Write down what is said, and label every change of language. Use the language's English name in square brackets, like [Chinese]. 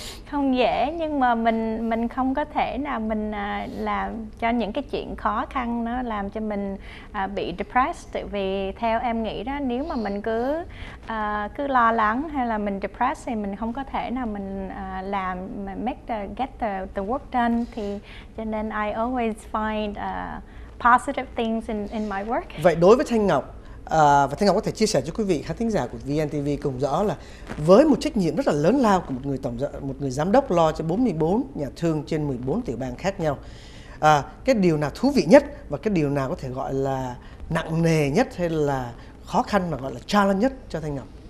[Vietnamese] Không dễ, nhưng mà mình không có thể nào mình làm cho những cái chuyện khó khăn nó làm cho mình bị depressed. Tại vì theo em nghĩ đó, nếu mà mình cứ lo lắng hay là mình depressed thì mình không có thể nào mình làm [English] get the work done. [Vietnamese] Thì cho nên [English] I always find positive things in my work. [Vietnamese] Vậy đối với Thanh Ngọc, và Thanh Ngọc có thể chia sẻ cho quý vị khán thính giả của VNTV cùng rõ là với một trách nhiệm rất là lớn lao của một người giám đốc lo cho 44 nhà thương trên 14 tiểu bang khác nhau, cái điều nào thú vị nhất và cái điều nào có thể gọi là nặng nề nhất hay là khó khăn mà gọi là challenge nhất cho Thanh Ngọc?